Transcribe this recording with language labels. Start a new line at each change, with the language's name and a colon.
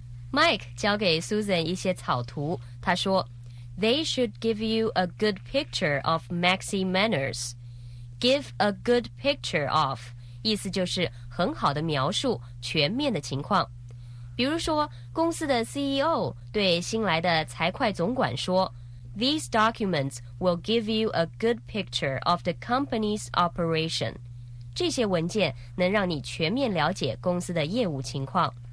English: Mike
Chinese: 交给 Susan 一些草图，他说
English: They should give you a good picture of Maxi Manners. Give a good picture of
Chinese: 意思就是很好的描述全面的情况。比如说公司的 CEO 对新来的财会总管说
English: These documents will give you a good picture of the company's operation.
Chinese: 这些文件能让你全面了解公司的业务情况。